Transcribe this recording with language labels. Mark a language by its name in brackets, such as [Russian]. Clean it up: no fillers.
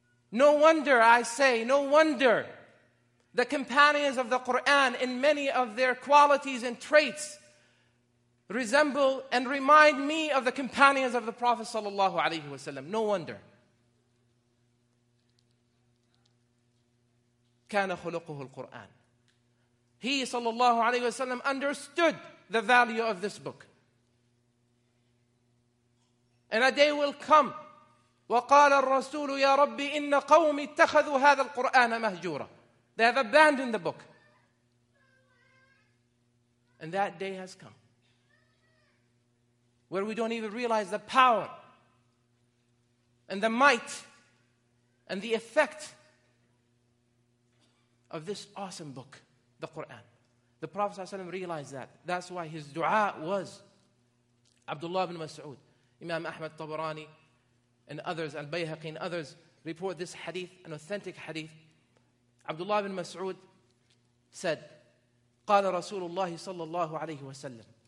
[English] No wonder, I say, no wonder the companions of the Quran in many of their qualities and traits resemble and remind me of the companions of the Prophet sallallahu alaihi wasallam. No wonder. [Arabic] كان خلقه القرآن. [English] He sallallahu alaihi wasallam understood the value of this book. And a day will come. [Arabic] وقال الرسول يا ربي إن قومي اتخذوا هذا القرآن مهجورا. [English] They have abandoned the book. And that day has come. Where we don't even realize the power and the might and the effect of this awesome book, the Quran. The Prophet ﷺ realized that. That's why his dua was Abdullah ibn Mas'ud, Imam Ahmad Tabarani, and others, Al-Bayhaqi and others report this hadith, an authentic hadith. Abdullah ibn Mas'ud said, [Arabic] قَالَ رَسُولُ اللَّهِ صَلَّى اللَّهُ عَلَيْهِ وَسَلَّمُ.